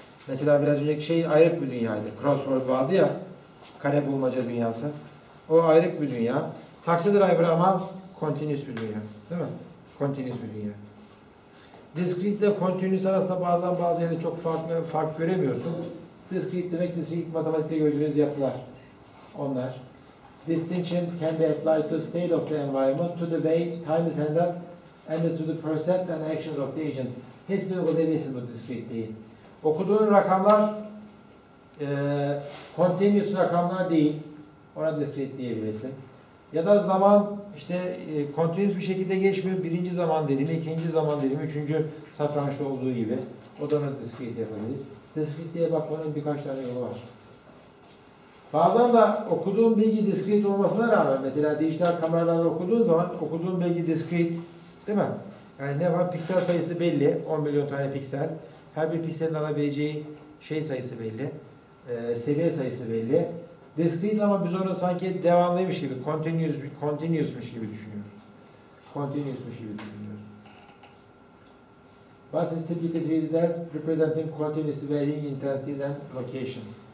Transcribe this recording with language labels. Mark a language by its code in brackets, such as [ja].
[tr] Mesela biraz önceki şey ayrık bir dünyaydı. Crossword vardı ya, kare bulmaca dünyası. O ayrık bir dünya. Taxi driver ama continuous bir dünya. Değil mi? Continuous bir dünya. Discrete ile continuous arasında bazen bazı yerde çok fark göremiyorsun. Discrete demek discrete matematikte gördüğünüz yapılar. Onlar. [en] Distinction can be applied to the state of the environment, to the way time is handled, and to the percept and actions of the agent. [tr] Hepsini uygulayabilirsin bu discrete değil. Okuduğun rakamlar continuous rakamlar değil. Ona discrete diyebilirsin. Ya da zaman işte continuous bir şekilde geçmiyor. Birinci zaman dilimi, ikinci zaman dilimi, üçüncü satrançta olduğu gibi. O da ona discrete yapabilir. Discrete diye bakmanın birkaç tane yolu var. Bazen de okuduğun bilgi discrete olmasına rağmen, mesela dijital kameralarda okuduğun zaman okuduğun bilgi discrete, değil mi? Yani ne var? Piksel sayısı belli. 10 milyon tane piksel. Her bir pikselin alabileceği şey sayısı belli. Seviye sayısı belli. Discrete ama biz onu sanki devamlıymış gibi, continuousmuş gibi düşünüyoruz. Continuousmuş gibi düşünüyoruz. [en] But it's typically treated as representing continuous varying intensities and locations.